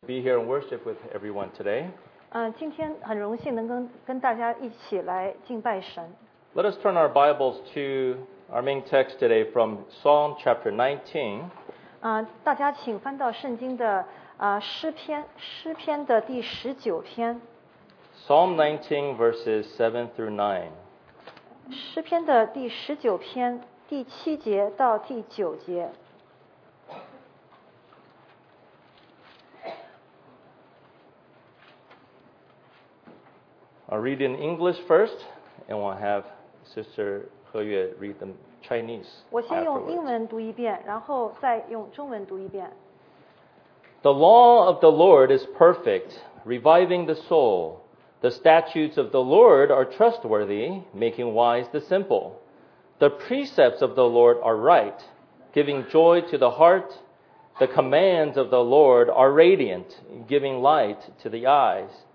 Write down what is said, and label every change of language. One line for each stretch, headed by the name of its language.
English: be here and worship with everyone today.
Chinese: 今天很荣幸能跟大家一起来敬拜神。
English: Let us turn our Bibles to our main text today from Psalm chapter 19.
Chinese: 大家请翻到圣经的诗篇的第十九篇。
English: Psalm 19 verses 7 through 9.
Chinese: 诗篇的第十九篇第七节到第九节。
English: I'll read in English first, and we'll have Sister He Yue read the Chinese.
Chinese: 我先用英文读一遍，然后再用中文读一遍。
English: The law of the Lord is perfect, reviving the soul. The statutes of the Lord are trustworthy, making wise the simple. The precepts of the Lord are right, giving joy to the heart. The commands of the Lord are radiant, giving light to the eyes.